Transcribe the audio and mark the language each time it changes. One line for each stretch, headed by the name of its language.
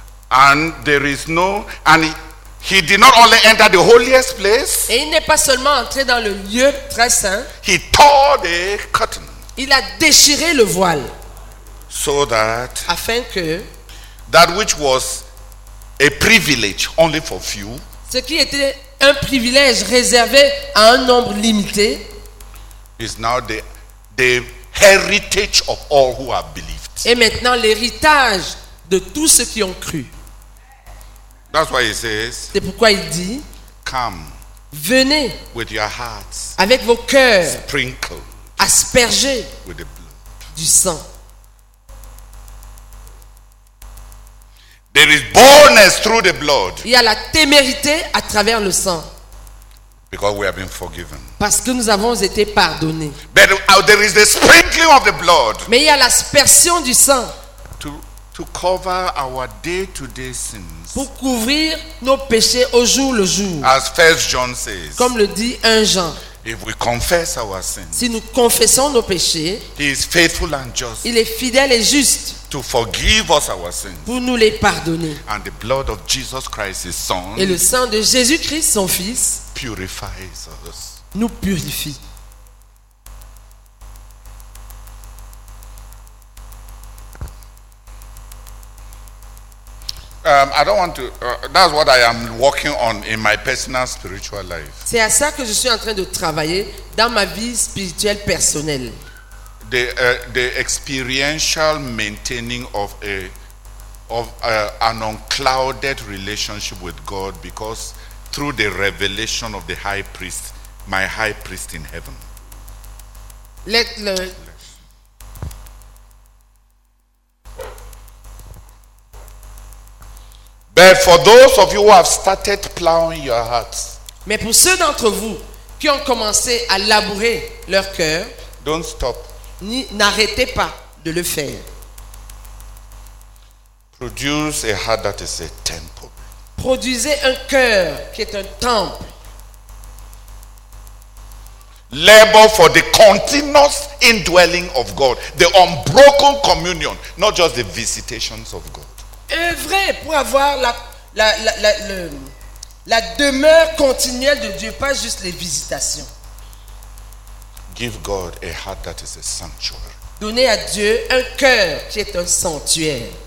English: And there is no, and he did not only enter the holiest place.
French: Et il n'est pas seulement entré dans le lieu très saint.
English: He tore the curtain.
French: Il a déchiré le voile.
English: So that.
French: Afin que.
English: That which was a privilege only for few.
French: Ce qui était un privilège réservé à un nombre limité.
English: Is now the heritage of all who have believed.
French: Et maintenant l'héritage de tous ceux qui ont cru.
English: That's why he says.
French: C'est pourquoi il dit.
English: Come.
French: Venez.
English: With your hearts.
French: Avec vos cœurs.
English: Sprinkle.
French: Aspergez.
English: With the blood.
French: Du sang.
English: There is boldness through the blood.
French: Il y a la témérité à travers le sang.
English: Because we have been forgiven.
French: Parce que nous avons été pardonnés.
English: But there is the sprinkling of the blood.
French: Mais il y a l'aspersion du sang.
English: To cover our day-to-day sins.
French: Pour couvrir nos péchés au jour le jour.
English: As 1 John says.
French: Comme le dit 1 Jean.
English: If we confess our sins.
French: Si nous confessons nos péchés.
English: He is faithful and just.
French: Il est fidèle et juste.
English: To forgive us our sins.
French: Pour nous les pardonner.
English: And the blood of Jesus Christ, his son.
French: Et le sang de Jésus-Christ, son fils.
English: Purifies us.
French: Nous purifie.
English: I don't want to. That's what I am working on in my personal spiritual life.
French: C'est à ça que je suis en train de travailler dans ma vie spirituelle personnelle.
English: The experiential maintaining of an unclouded relationship with God, because through the revelation of the high priest, my high priest in heaven. But for those of you who have started plowing your hearts.
French: Mais pour ceux d'entre vous qui ont commencé à labourer leur cœur.
English: Don't stop.
French: N'arrêtez pas de le faire.
English: Produce a heart that is a temple.
French: Produisez un cœur qui est un temple.
English: Labor for the continuous indwelling of God, the unbroken communion, not just the visitations of God.
French: Œuvrez pour avoir la demeure continuelle de Dieu, pas juste les visitations.
English: Give God a heart that is a sanctuary.
French: Donnez à Dieu un cœur qui est un sanctuaire.